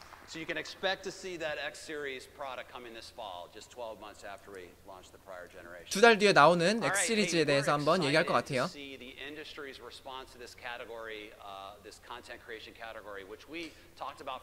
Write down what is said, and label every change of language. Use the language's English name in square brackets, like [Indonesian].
[English] So you can expect to see that X series product coming this fall, just 12 months after we launched the prior generation. [Korean] 두 달 뒤에 나오는 X 시리즈에 대해서 한번 얘기할 것 같아요. [English] To see the industry's response to this category, this content creation category, which we talked about.